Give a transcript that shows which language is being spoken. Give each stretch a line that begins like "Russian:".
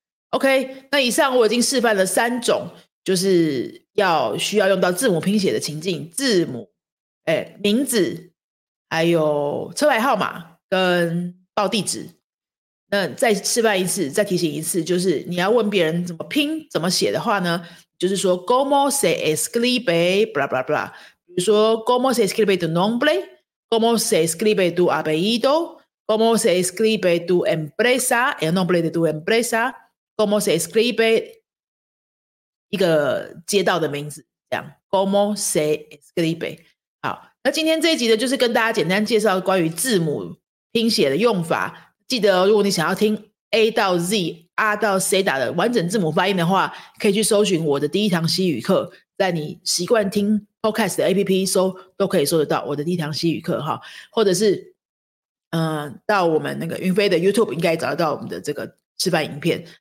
Chinese: OK， 那以上我已经示范了三种就是要需要用到字母拼写的情境，字母名字还有车牌号码跟报地址。那再示范一次，再提醒一次，就是你要问别人怎么拼怎么写的话呢，就是说
Spanish: ¿Cómo se escribe blah blah blah？
Chinese: 比如说
Spanish: ¿Cómo se escribe tu nombre? ¿Cómo se escribe tu apellido? ¿Cómo se escribe tu empresa? ¿El nombre de tu empresa? ¿Cómo se escribe
Chinese: 一个街道的名字，这样 ¿Cómo se escribe? 好，那今天这一集呢，就是跟大家简单介绍关于字母拼写的用法。记得如果你想要听 A 到 Z R 到 C 打的完整字母发音的话，可以去搜寻我的第一堂西语课，在你习惯听 Podcast 的 APP 搜都可以搜得到我的第一堂西语课哈，或者是到我们那个云飞的 YouTube 应该找得到我们的这个示范影片。